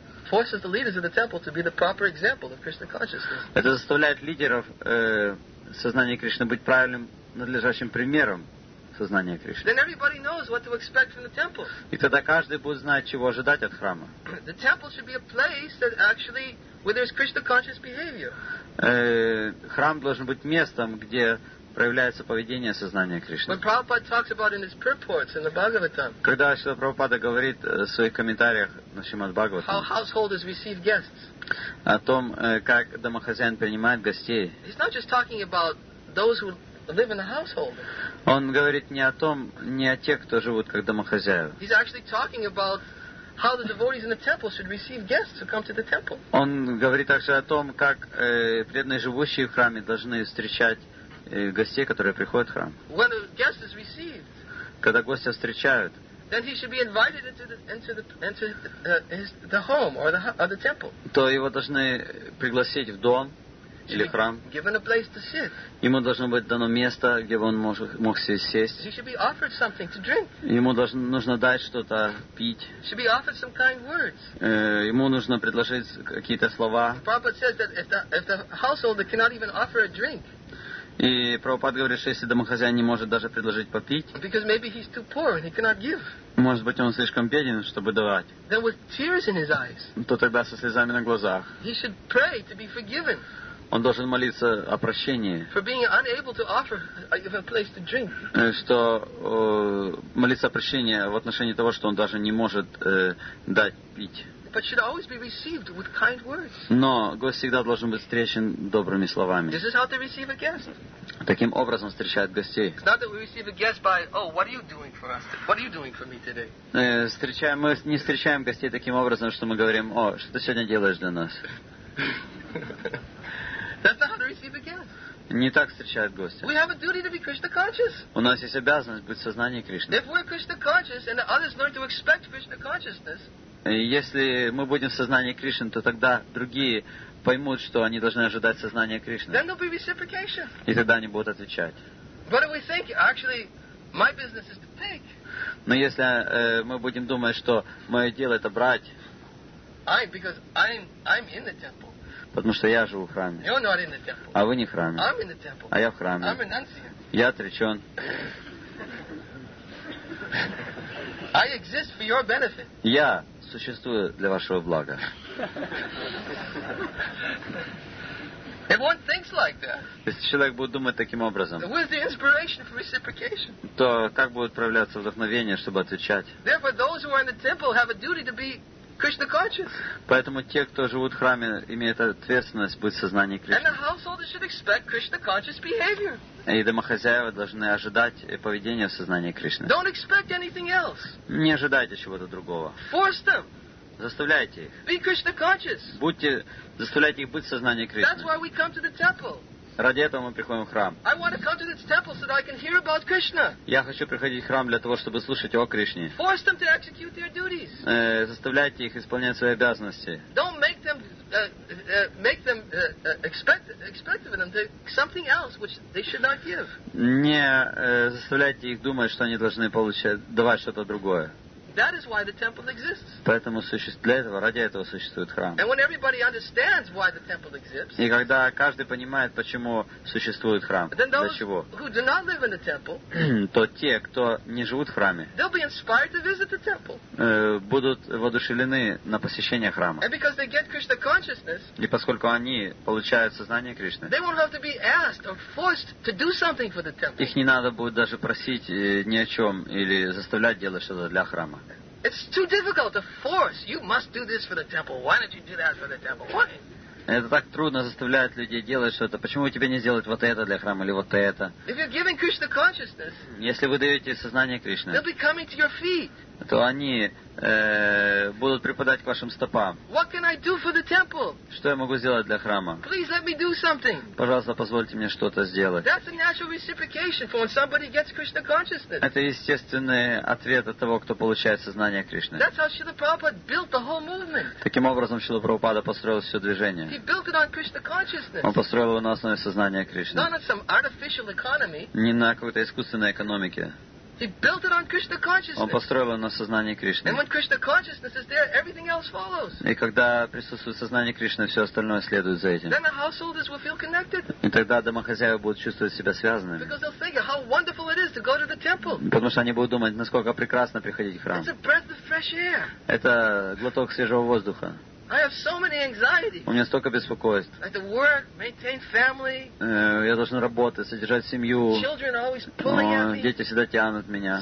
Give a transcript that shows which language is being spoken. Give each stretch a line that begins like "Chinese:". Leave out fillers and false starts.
English: forces the leaders of the temple to be the proper example of Krishna consciousness.
Russian: Это заставляет лидеров сознания Кришны быть правильным, надлежащим примером сознания Кришны.
English: Then everybody knows what to expect from the temple.
Russian: И тогда каждый будет знать, чего ожидать от храма.
English: The temple should be a place that actually where there's Krishna conscious behavior.
Russian: Храм должен быть местом, где проявляется поведение сознания Кришны.
English: When Prabhupada talks about in his purports in the Bhagavatam,
Russian: когда Шрила Прабхупада говорит в своих комментариях на Шримад Бхагаватам,
English: how householders receive guests,
Russian: о том, как домохозяин принимает гостей,
English: he's not just talking about those who live in the household.
Russian: Он говорит не о том, не о тех, кто живут как домохозяева.
English: He's actually talking about how the devotees in the temple should receive guests who come to the temple.
Russian: Он говорит также о том, как преданные, живущие в храме, должны встречать гостей, которые приходят в храм.
English: When a guest is received,
Russian: когда гостя встречают,
English: then he should be invited into the home or the temple.
Russian: То его должны пригласить в дом или храм.
English: Given a place to sit.
Russian: Ему должно быть дано место, где он мог сесть.
English: He should be offered something to drink.
Russian: Ему нужно дать что-то пить.
English: He should be offered some kind words.
Russian: Ему нужно предложить какие-то слова.
English: Prabhupada says that if the householder cannot even offer a drink.
Russian: И Прабхупад говорит, что если домохозяин не может даже предложить попить,
English: because maybe he's too poor and he cannot give,
Russian: может быть, он слишком беден, чтобы давать,
English: then with tears in his eyes,
Russian: то тогда со слезами на глазах,
English: he should pray to be forgiven.
Russian: Он должен молиться о прощении.
English: For being unable to offer even a place to drink.
Russian: Что молиться о прощении в отношении того, что он даже не может дать пить.
English: But should always be received with kind words.
Russian: Но гость всегда должен быть встречен добрыми словами.
English: This is how to receive a guest.
Russian: Таким образом встречают гостей.
English: It's not that we receive a guest by, oh, what are you doing for us? What are you doing for me today?
Russian: Мы не встречаем гостей таким образом, что мы говорим, о, что ты сегодня делаешь для нас?
English: That's not how to receive a guest.
Russian: Не так встречают гостя.
English: We have a duty to be Krishna conscious.
Russian: У нас есть обязанность быть в сознании Кришны.
English: If we're Krishna conscious and the others learn to expect Krishna consciousness,
Russian: если мы будем в сознании Кришны, то тогда другие поймут, что они должны ожидать сознания Кришны.
English: Then there'll be reciprocation.
Russian: И тогда они будут отвечать.
English: But if we think, actually, my business is to take.
Russian: Но если мы будем думать, что мое дело это брать,
English: because I'm in the temple.
Russian: Потому что я живу в храме.
English: You're not in the temple.
Russian: А вы не в храме.
English: I'm in the temple.
Russian: А я в храме.
English: I'm renunciant.
Russian: Я отречен.
English: I exist for your benefit.
Russian: Я существую для вашего блага.
English: If one thinks like that,
Russian: если человек будет думать таким образом,
English: where's the inspiration for reciprocation?
Russian: То как будет проявляться вдохновение, чтобы отвечать?
English: Therefore, those who are in the temple have a duty to be Krishna conscious.
Russian: Поэтому те, кто живут в храме, имеют ответственность быть в сознании Кришны.
English: And the householder should expect Krishna conscious behavior.
Russian: И домохозяева должны ожидать поведения в сознании Кришны.
English: Don't expect anything else.
Russian: Не ожидайте чего-то другого.
English: Force them.
Russian: Заставляйте их.
English: Be Krishna conscious.
Russian: Заставляйте их быть в сознании Кришны.
English: That's why we come to the temple.
Russian: Ради этого мы приходим в храм.
English: I want to come to this temple so that I can hear about Krishna.
Russian: Я хочу приходить в храм для того, чтобы слушать о Кришне.
English: Force them to execute their duties.
Russian: Заставляйте их исполнять свои обязанности.
English: Don't make them expect of them something else which they should not give.
Russian: Не заставляйте их думать, что они должны получать, давать что-то другое.
English: That is why the temple exists.
Russian: Поэтому ради этого существует храм.
English: And when everybody understands why the temple exists.
Russian: И когда каждый понимает, почему существует храм, для чего.
English: Who do not live in the temple,
Russian: то те, кто не живут в храме,
English: they'll be inspired to visit the temple.
Russian: Будут воодушевлены на посещение храма.
English: And because they get Krishna consciousness,
Russian: и поскольку они получают сознание Кришны,
English: they won't have to be asked or forced to do something for the temple.
Russian: Их не надо будет даже просить ни о чем или заставлять делать что-то для храма.
English: It's too difficult to force. You must do this for the temple. Why don't you do that for the temple? Why?
Russian: Это так трудно заставлять людей делать что-то. Почему тебе не сделать вот это для храма или вот это?
English: If you're giving Krishna consciousness,
Russian: если вы даете сознание Кришне,
English: they'll be coming to your feet.
Russian: То они будут припадать к вашим стопам.
English: What can I do for the temple?
Russian: Что я могу сделать для храма?
English: Please let me do something.
Russian: Пожалуйста, позвольте мне что-то сделать.
English: That's a natural reciprocation for when somebody gets Krishna consciousness.
Russian: Это естественный ответ от того, кто получает сознание Кришны.
English: That's how Srila Prabhupada built the whole movement.
Russian: Таким образом, Шрила Прабхупада построил все движение.
English: He built it on Krishna consciousness.
Russian: Он построил его на основе сознания Кришны.
English: Not on some artificial economy.
Russian: Не на какой-то искусственной экономике.
English: He built it on Krishna consciousness.
Russian: Он построил его на сознании Кришны.
English: And when Krishna consciousness is there, everything else follows.
Russian: И когда присутствует сознание Кришны, все остальное следует за этим.
English: Then the householders will feel connected.
Russian: И тогда домохозяева будут чувствовать себя связанными.
English: Because they'll think how wonderful it is to go to the temple.
Russian: Потому что они будут думать, насколько прекрасно приходить в храм.
English: It's a breath of fresh air.
Russian: Это глоток свежего воздуха.
English: I have so many anxieties.
Russian: У меня столько беспокойств.
English: I have to work, maintain family.
Russian: Я должен работать, содержать семью.
English: Children always pulling at me.
Russian: Дети всегда тянут меня.